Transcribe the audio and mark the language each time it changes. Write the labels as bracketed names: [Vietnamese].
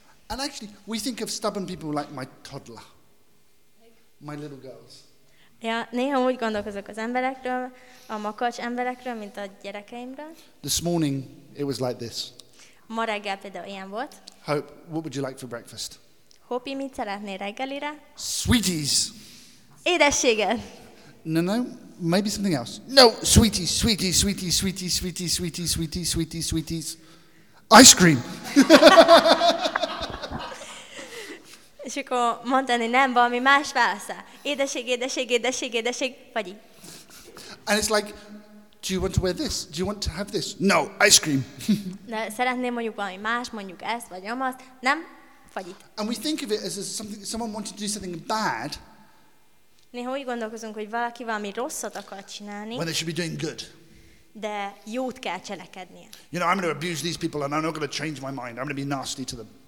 [English] And actually, we think of stubborn people like my toddler, my little girls. [Hungarian] Ja, néha úgy gondolkozok az emberekről, a makacs emberekről, mint a gyerekeimről. [English] This morning it was like this. [Hungarian] Ma reggel például ilyen volt. [English] Hope, what would you like for breakfast? [Hungarian] Hopi, mit szeretnél reggelire? [English] Sweeties. [Hungarian] Édességet. [English] No, maybe something else. No, sweeties. Ice cream. [Hungarian] És akkor mondani, nem, valami más válasz. Édeség, vagy így. [English] And it's like, do you want to wear this? Do you want to have this? No, ice cream. [Hungarian] De szeretném mondjuk valami más, mondjuk ezt, vagy amazt. Nem, vagy így. [English] And we think of it as something, someone wanted to do something bad. [Hungarian] Néha úgy gondolkozunk, hogy valaki valami rosszat akar csinálni. [English] When they should be doing good. [Hungarian] De jót kell cselekednie. [English] You know, I'm going to abuse these people and I'm not going to change my mind. I'm going to be nasty to them.